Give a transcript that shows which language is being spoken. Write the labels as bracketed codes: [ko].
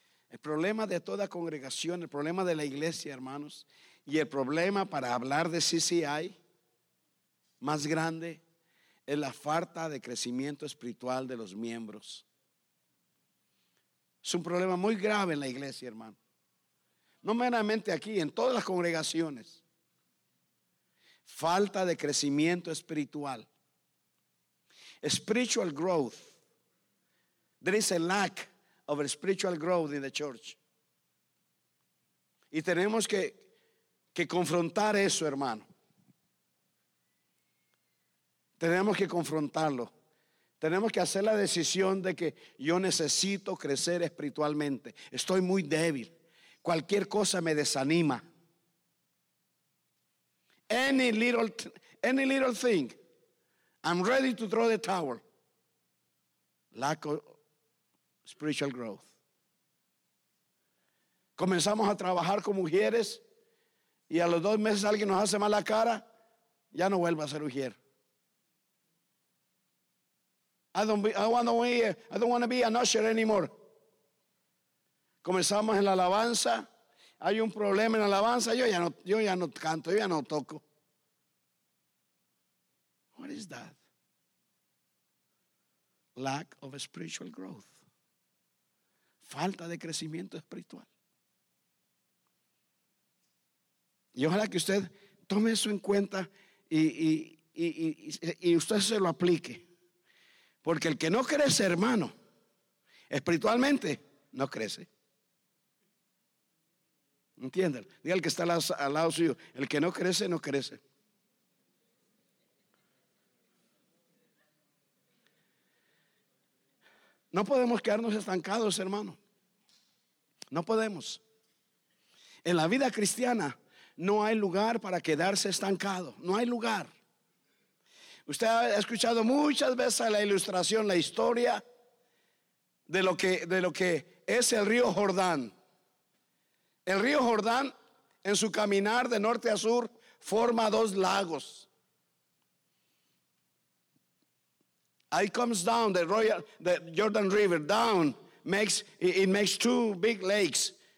[es] El problema de toda congregación, el problema de la iglesia, hermanos, y el problema para hablar de CCI más grande es la falta de crecimiento espiritual de los miembros. Es un problema muy grave en la iglesia, hermano. No meramente aquí, en todas las congregaciones. Falta de crecimiento espiritual. [en] Spiritual growth. There is a lack of spiritual growth in the church. [es] Y tenemos que confrontar eso, hermano. Tenemos que confrontarlo. Tenemos que hacer la decisión de que yo necesito crecer espiritualmente. Estoy muy débil. Cualquier cosa me desanima. [en] Any little thing, I'm ready to throw the towel. Lack of spiritual growth. [es] Comenzamos a trabajar con mujeres y a los dos meses alguien nos hace mala cara, ya no vuelvo a ser mujer. [en] I don't want to be an usher anymore. [es] Comenzamos en la alabanza. Hay un problema en la alabanza. Yo ya no canto, yo ya no toco. [en] What is that? Lack of spiritual growth. [es] Falta de crecimiento espiritual. Y ojalá que usted tome eso en cuenta y usted se lo aplique. Porque el que no crece, hermano, espiritualmente, no crece. ¿Entienden? Diga el que está al lado suyo, el que no crece, no crece. No podemos quedarnos estancados, hermano. No podemos. En la vida cristiana no hay lugar para quedarse estancado. No hay lugar. Usted ha escuchado muchas veces la ilustración, la historia de lo que es el río Jordán. El río Jordán, en su caminar de norte a sur, forma dos lagos. [en] Ahí comes down the Jordan River down, it makes two big lakes.